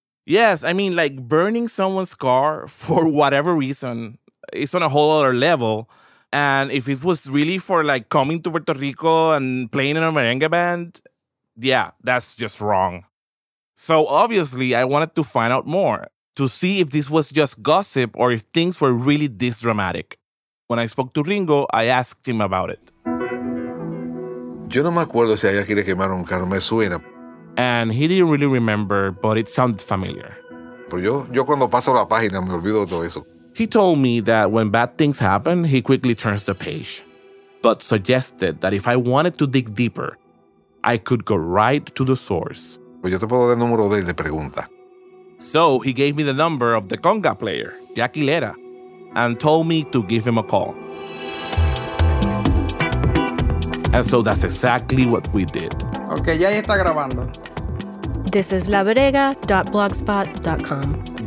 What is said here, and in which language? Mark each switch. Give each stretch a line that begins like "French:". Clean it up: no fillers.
English: Yes, I mean, like, burning someone's car for whatever reason is on a whole other level, and if it was really for, like, coming to Puerto Rico and playing in a merengue band, yeah, that's just wrong. So, obviously, I wanted to find out more, to see if this was just gossip or if things were really this dramatic. When I spoke to Ringo, I asked him about it.
Spanish: Yo no me acuerdo si allá aquí le quemaron un carro, me suena.
English: And he didn't really remember, but it sounded familiar.
Spanish: Pero yo cuando paso la página me olvido todo eso.
English: He told me that when bad things happen, he quickly turns the page, but suggested that if I wanted to dig deeper, I could go right to the source.
Spanish: Pues yo te puedo dar el número de él, le pregunta.
English: So he gave me the number of the conga player, Jackie Lera, and told me to give him a call. And so that's exactly what we did.
Spanish: Okay, ya está grabando. This is labrega.blogspot.com.